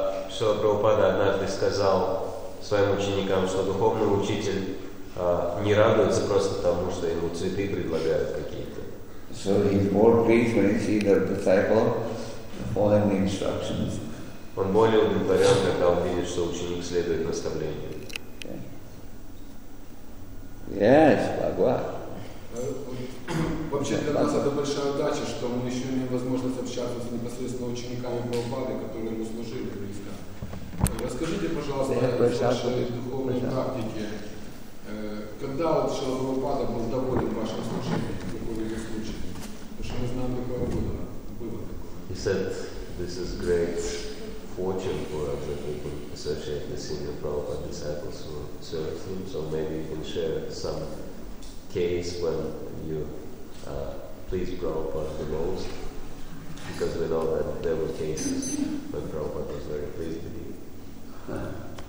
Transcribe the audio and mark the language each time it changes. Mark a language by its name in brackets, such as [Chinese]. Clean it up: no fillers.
[Russian] Шрила Прабхупада однажды сказал своим ученикам, что духовный учитель не радуется просто тому, что ему цветы предлагают какие-то. [English] So he's more pleased when he sees the disciple following the instructions. [Russian] Он более удовлетворен, когда он видит, что ученик следует наставлению. [English] Yes, Bhagwa. [Russian] Вообще для нас это большая удача, что мы еще имеем возможность общаться с непосредственно учениками Прабхупады, которые ему служили близко. Расскажите, пожалуйста, о вашей духовной практике. Когда вот Шрила Прабхупада был доволен вашим служением, какой его случай? Потому что мы знаем, какого года было такое. [English] He said, this is great fortune for us that we could associate the senior Prabhupada disciples who served him. So maybe you can share some case when you pleased Prabhupada the most, because we know that there were cases when Prabhupada was very pleased with you.